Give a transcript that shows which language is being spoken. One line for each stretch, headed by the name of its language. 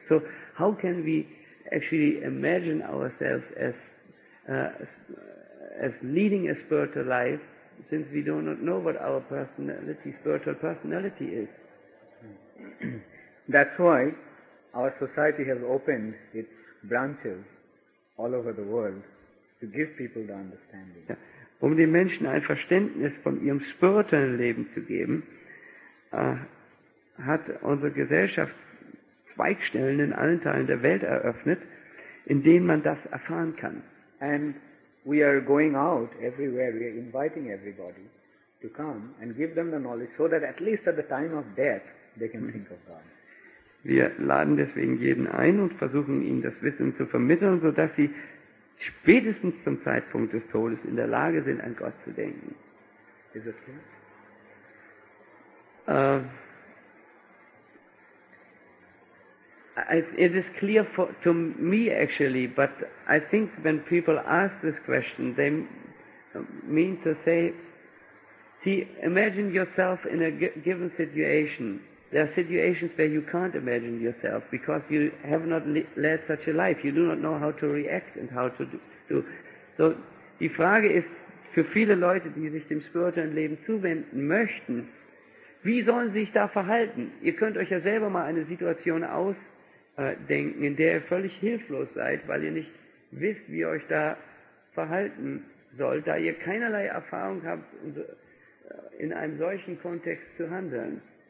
English: So how can we actually imagine ourselves as leading a spiritual life, since we do not know what our personality, spiritual personality is? That's why our society has opened its branches all over the world to give people the understanding.
German: Ja. Um den Menschen ein Verständnis von ihrem spirituellen Leben zu geben, hat unsere Gesellschaft Zweigstellen in allen Teilen der Welt eröffnet, in denen man das erfahren kann.
English: And we are going out everywhere, we are inviting everybody to come and give them the knowledge, so that at least at the time of death they can think of God.
German: Wir laden deswegen jeden ein und versuchen ihnen das Wissen zu vermitteln, so dass sie spätestens zum Zeitpunkt des Todes in der Lage sind, an Gott zu denken.
English: Is it clear? It is clear to me actually, but I think when people ask this question, they mean to say, see, imagine yourself in a given situation. There are situations where you can't imagine yourself because you have not led such a life. You do not know how to react and how to do.
German: So die Frage ist für viele Leute, die sich dem spirituellen Leben zuwenden möchten, wie sollen sie sich da verhalten? Ihr könnt euch ja selber mal eine Situation ausdenken, in der ihr völlig hilflos seid, weil ihr nicht wisst, wie ihr euch da verhalten sollt, da ihr keinerlei Erfahrung habt, in einem solchen Kontext zu handeln.